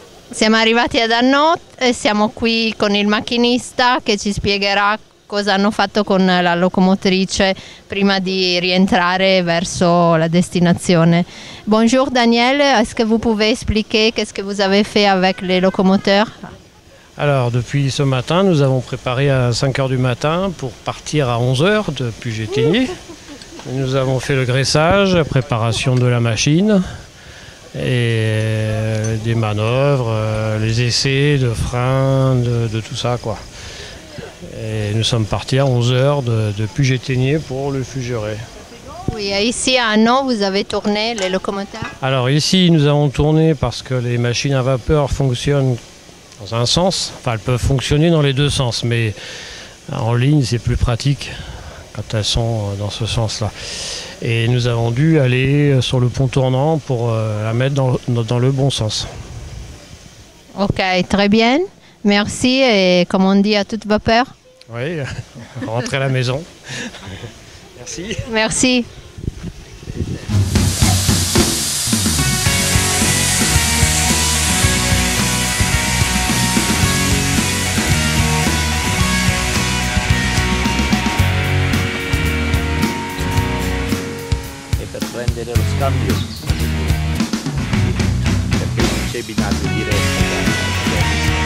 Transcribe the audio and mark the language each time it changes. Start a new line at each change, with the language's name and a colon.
Italian: Siamo arrivati ad Annot e siamo qui con il macchinista che ci spiegherà cosa hanno fatto con la locomotrice prima di rientrare verso la destinazione.
French: Bonjour Daniel, est-ce que vous pouvez expliquer qu'est-ce que vous avez fait avec les locomoteurs? Alors, depuis ce matin, nous avons préparé à 5h du matin pour partir à 11h depuis Jetigny. Nous avons fait le graissage, la préparation de la machine et des manœuvres, les essais de freins, de tout ça, quoi. Et nous sommes partis à 11h de Puget-Théniers pour le Fugeret. Oui, et ici à Annon, vous avez tourné les locomoteurs? Alors ici, nous avons tourné parce que les machines à vapeur fonctionnent dans un sens. Enfin, elles peuvent fonctionner dans les deux sens, mais en ligne, c'est plus pratique quand elles sont dans ce sens-là. Et nous avons dû aller sur le pont tournant pour la mettre dans le bon sens. Ok, très bien. Merci et comme on dit à toute vapeur. Oui, rentrez à la maison. Merci. Merci. Et pour prendre le
Italian: scambio, perché non c'è binario diretto.